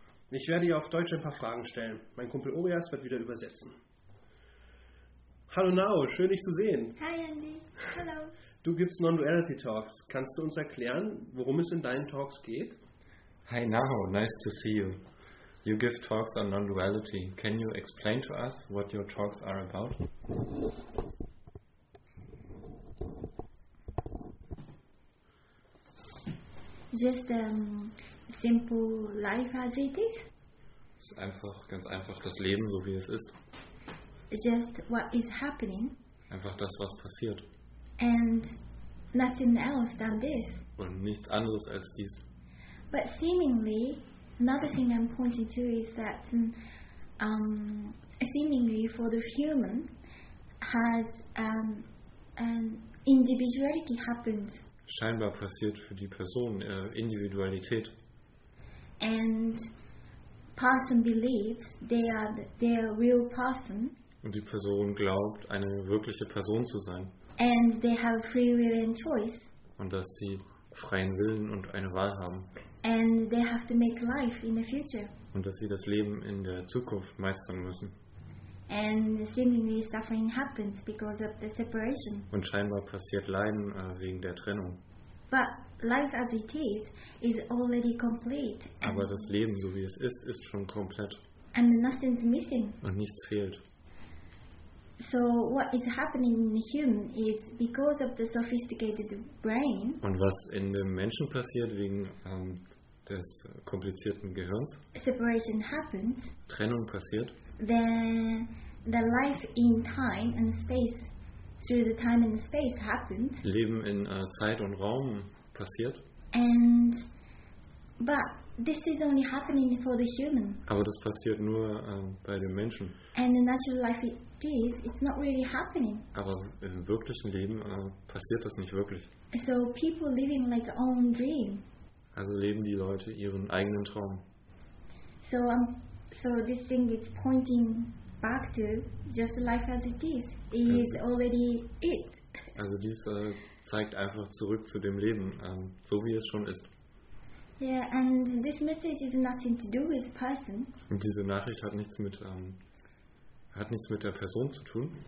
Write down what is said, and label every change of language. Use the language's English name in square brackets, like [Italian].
[German] Ich werde ihr auf Deutsch ein paar Fragen stellen. Mein Kumpel Orias wird wieder übersetzen. Hallo Naru, schön dich zu sehen. Hi Andi, hallo. Du gibst Non-Duality-Talks. Kannst du uns erklären, worum es in deinen Talks geht? [English] Hi Naru, nice to see you. You give talks on Non-Duality. Can you explain to us what your talks are about? Just simple life as it is. [German] Ist einfach, ganz einfach das Leben, so wie es ist. [English] Just what is happening. [German] Einfach das, was passiert. [English] And nothing else than this. [German] Und nichts anderes als dies. [English] But seemingly, another thing I'm pointing to is that seemingly for the human has an individuality happened. [German] Scheinbar passiert für die Person Individualität. [English] And person believes they are their real person. [German] Und die Person glaubt, eine wirkliche Person zu sein. [English] And they have free will and choice. [German] Und dass sie freien Willen und eine Wahl haben. [English] And they have to make life in the future. [German] Und dass sie das Leben in der Zukunft meistern müssen. [English] And seemingly suffering happens because of the separation. [German] Und scheinbar passiert Leiden wegen der Trennung. [English] But life as it is already complete. [German] Aber das Leben, so wie es ist, ist schon komplett. [English] And nothing's missing. [German] Und nichts fehlt. [English] So what is happening in the human is because of the sophisticated brain. [German] Und was in dem Menschen passiert wegen des komplizierten Gehirns. [English] Separation happens. [German] Trennung passiert. [English] The life in time and space through the time and space happened. [German] Leben in Zeit und Raum passiert. [English] And but this is only happening for the human. [German] Aber das passiert nur bei dem Menschen. [English] And the natural life it is, it's not really happening. [German] Aber im wirklichen Leben passiert das nicht wirklich. [English] So people living like own dream. [German] Also leben die Leute ihren eigenen Traum. [English] So this thing is pointing back to just life as it is. It is already it. [German] Also dies zeigt einfach zurück zu dem Leben, so wie es schon ist. [English] Yeah, and this message is nothing to do with person. [German] Und diese Nachricht hat nichts mit der Person zu tun.